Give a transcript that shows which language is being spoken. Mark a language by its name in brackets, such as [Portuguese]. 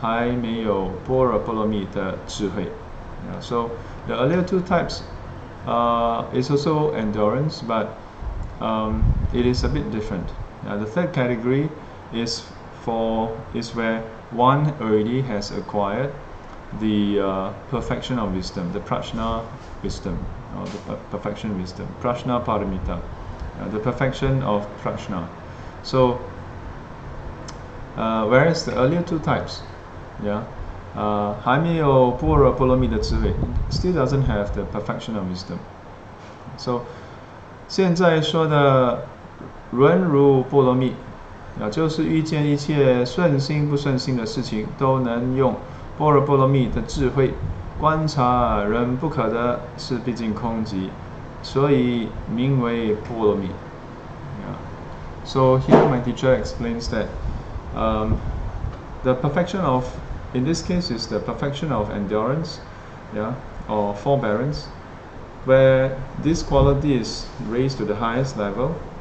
[Chinese] 一般的僧人和法人还没有般若波罗蜜的智慧. [English] Yeah, so the earlier two types is also endurance, but it is a bit different. Yeah, the third category is where one already has acquired the perfection of wisdom, the prajna wisdom, or the perfection wisdom, prajna paramita, the perfection of prajna. So, whereas the earlier two types, yeah, [Chinese] 还没有般若波罗蜜的智慧, [English] still doesn't have the perfection of wisdom. [Chinese] So, 现在说的忍辱波罗蜜, 就是遇见一切顺心不顺心的事情都能用 般若波罗蜜的智慧观察人不可得是毕竟空寂, 所以名为波罗蜜. [English] So here my teacher explains that the perfection of, in this case, is the perfection of endurance, or forbearance, where this quality is raised to the highest level.